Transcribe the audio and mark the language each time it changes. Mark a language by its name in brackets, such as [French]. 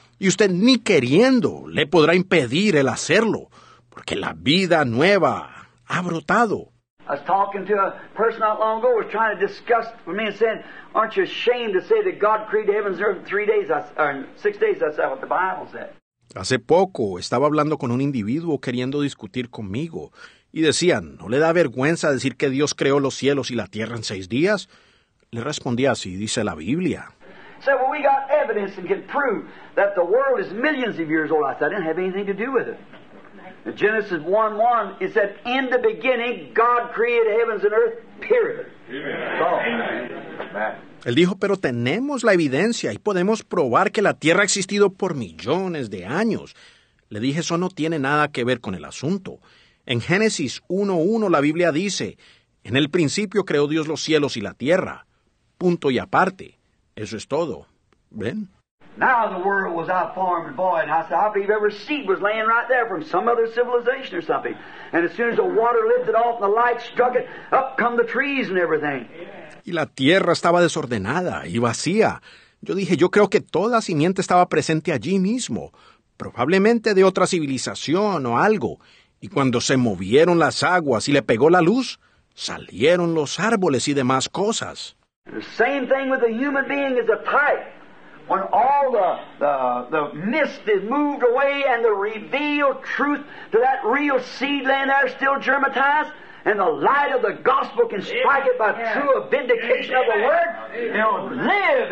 [Spanish] Y usted ni queriendo le podrá impedir el hacerlo, porque la vida nueva ha brotado. [English] I was talking to a person not long ago, was trying to discuss with me and saying, aren't you ashamed to say that God created heaven and earth in 3 days, or 6 days, that's what the Bible said. [Spanish] Hace poco estaba hablando con un individuo queriendo discutir conmigo, y decían, ¿no le da vergüenza decir que Dios creó los cielos y la tierra en 6 días? Le respondí, así dice la Biblia. [English] So, well, we got evidence and can prove that the world is millions of years old. I said, I didn't have anything to do with it. In Genesis 1:1, it said, in the beginning, God created heavens and earth, period. Amen. [Spanish] Él dijo, pero tenemos la evidencia y podemos probar que la tierra ha existido por millones de años. Le dije, eso no tiene nada que ver con el asunto. En Génesis 1:1 la Biblia dice, en el principio creó Dios los cielos y la tierra. Punto y aparte. Eso es todo. ¿Ven? [English] Now the world was out farm and boy, and I said, I believe every seed was laying right there from some other civilization or something. And as soon as the water lifted off and the light struck it, up come the trees and everything. [Spanish] Y la tierra estaba desordenada y vacía. Yo dije, yo creo que toda simiente estaba presente allí mismo, probablemente de otra civilización o algo. Y cuando se movieron las aguas y le pegó la luz, salieron los árboles y demás cosas. [English] The same thing with the human being is a type. When all the mist is moved away and the revealed truth to that real seed laying there still germinized, and the light of the gospel can strike it by true vindication of the word, it'll live.